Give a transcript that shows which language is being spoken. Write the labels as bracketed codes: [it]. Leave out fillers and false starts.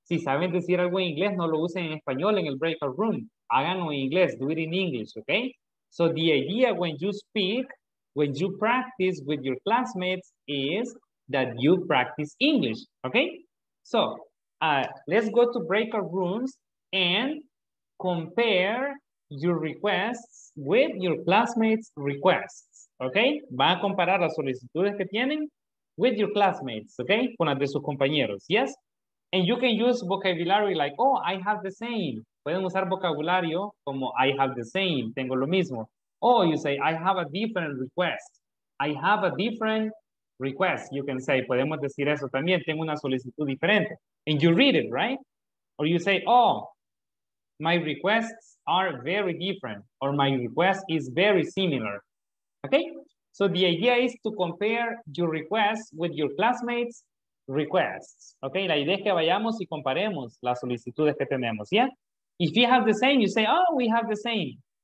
[es] Si saben decir algo en inglés, no lo usen en español en el breakout room. Háganlo en inglés. [en] Do it in English, okay? So the idea when you speak, when you practice with your classmates is that you practice English, okay? So let's go to breakout rooms and compare your requests with your classmates' requests, okay? [es] Van a comparar las solicitudes que tienen [en] with your classmates, okay? [es] Con las de sus compañeros, [en] yes? And you can use vocabulary like, oh, I have the same. [es] Pueden usar vocabulario como [en] I have the same, [es] tengo lo mismo. [en] Oh, you say, I have a different request. I have a different request, you can say. [es] Podemos decir eso también, tengo una solicitud diferente. [en] And you read it, right? Or you say, oh, my requests are very different. Or my request is very similar. Okay? So the idea is to compare your requests with your classmates' requests. Okay? [es] La idea es que vayamos y comparemos las solicitudes que tenemos, yeah? [en] If you have the same, you say, oh, we have the same.